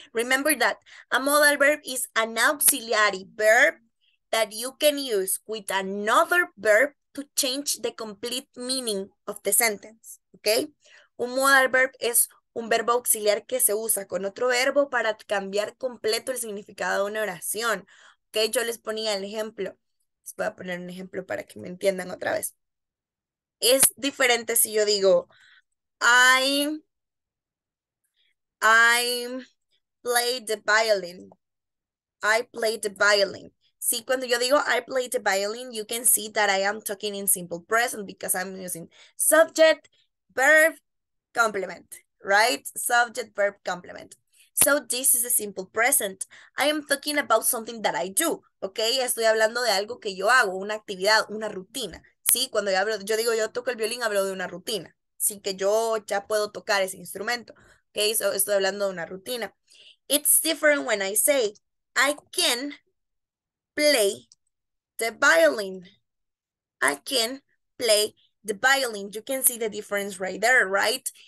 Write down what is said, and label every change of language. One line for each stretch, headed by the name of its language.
English: Remember that a modal verb is an auxiliary verb that you can use with another verb to change the complete meaning of the sentence, ¿okay?
Spanish: Un modal verb es un verbo auxiliar que se usa con otro verbo para cambiar completo el significado de una oración. Ok, yo les ponía el ejemplo. Les voy a poner un ejemplo para que me entiendan otra vez. Es diferente si yo digo,
English: I play the violin. I play the violin.
Spanish: Sí, cuando yo digo
English: I play the violin, you can see that I am talking in simple present because I'm using subject, verb, complement. Right? Subject, verb, complement. So this is a simple present. I am talking about something that I do. Okay?
Spanish: Estoy hablando de algo que yo hago, una actividad, una rutina. Sí, cuando yo digo yo toco el violín, hablo de una rutina. Sí, que yo ya puedo tocar ese instrumento. Okay? So estoy hablando de una rutina.
English: It's different when I say I can play the violin. I can play the violin. You can see the difference right there, right?